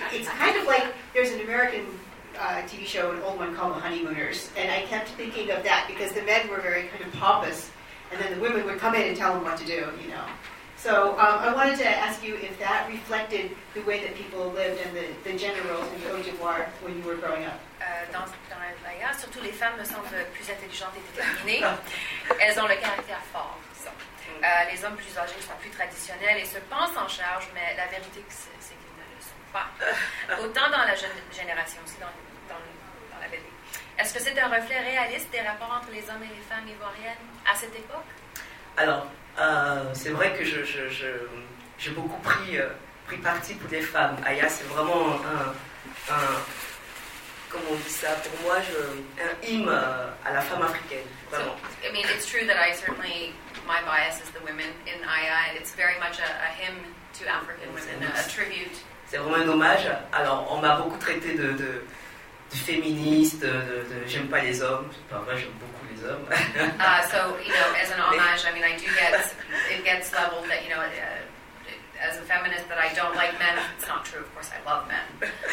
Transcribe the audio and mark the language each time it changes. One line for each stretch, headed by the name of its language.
English: It's kind of like there's an American TV show, an old one called The Honeymooners, and I kept thinking of that because the men were very kind of pompous, and then the women would come in and tell them what to do, you know. So I wanted to ask you if that reflected the way that people lived and the gender roles in Côte d'Ivoire when you were growing up.
French: Dans l'Aya, surtout les femmes me semblent plus intelligentes et déterminées. Elles ont le caractère fort. Les hommes plus âgés sont plus traditionnels et se pensent en charge, mais la vérité, c'est qu'ils ne le sont pas. Autant dans la jeune génération, aussi dans la BD. Est-ce que c'est un reflet réaliste des rapports entre les hommes et les femmes ivoiriennes à cette époque? Alors, c'est vrai que j'ai beaucoup pris parti pour les femmes. Aya, c'est vraiment un comment on dit ça pour moi, un hymne à la femme africaine. Vraiment.
English: So, I mean, it's true that I certainly my bias is the women in Aya, and it's very much a hymn to African women, a tribute.
French: C'est vraiment un hommage. Alors, on m'a beaucoup traité de féministe, de j'aime pas les hommes. Enfin, moi, j'aime beaucoup les hommes.
English: Ah, so, you know, as an homage, I mean, I do get, it gets leveled that, you know, as a feminist, that I don't like men. It's not true, of course, I love men.